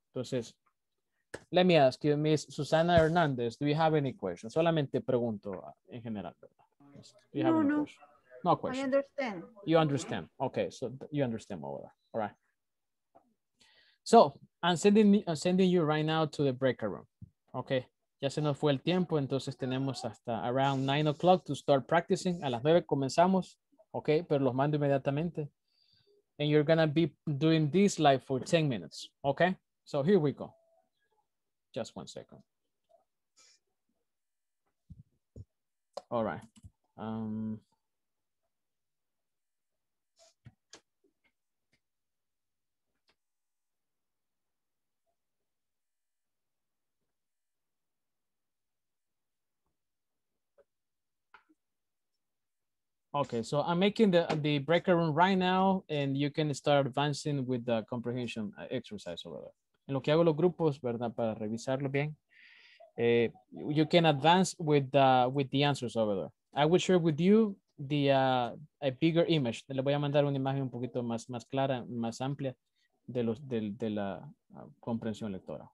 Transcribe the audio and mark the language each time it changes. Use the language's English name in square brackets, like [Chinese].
[English] Entonces, let me ask you, Miss Susana Hernandez, do you have any questions? [Spanish] Solamente pregunto en general, ¿verdad? [English] No questions? No questions. I understand. You understand. Okay, so you understand over there. All right. So, I'm sending you right now to the breakout room. Okay. [Spanish] Ya se nos fue el tiempo, entonces tenemos hasta [English] around 9 o'clock to start practicing. [Spanish] A las 9 comenzamos. Okay, pero los mando inmediatamente. [English] And you're going to be doing this live for 10 minutes. Okay. So, here we go. Just one second. All right. Okay, so I'm making the breakout room right now, and you can start advancing with the comprehension exercise over there. [Spanish] En lo que hago los grupos, ¿verdad? Para revisarlo bien. [English] You can advance with the answers over there. I will share with you the a bigger image. [Spanish] Le voy a mandar una imagen un poquito más, más clara, más amplia de los de la comprensión lectora.